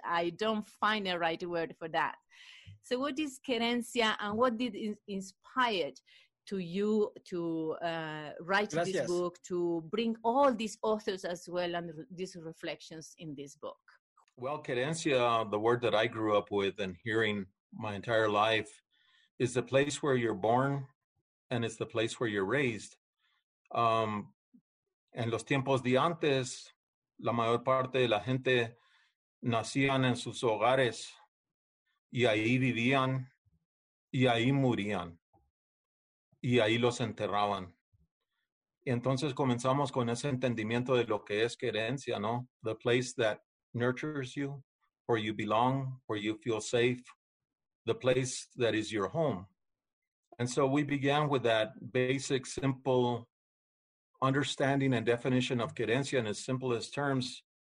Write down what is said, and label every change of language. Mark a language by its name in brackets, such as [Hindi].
[English] I don't find a right word for that. So what is querencia, and what did inspire to you to write Gracias. This book, to bring all these authors as well and these reflections in this book? Well, querencia, the word that I grew up with and hearing my entire life, is the place where you're born and it's the place where you're raised. [Spanish] En los tiempos de antes, la mayor parte de la gente nacían en sus hogares y ahí vivían y ahí morían. Y ahí los enterraban. Y entonces comenzamos con ese entendimiento de lo que es querencia, ¿no? [English] The place that nurtures you, where you belong, where you feel safe. The place that is your home. And so we began with that basic, simple understanding and definition of querencia in its simplest terms.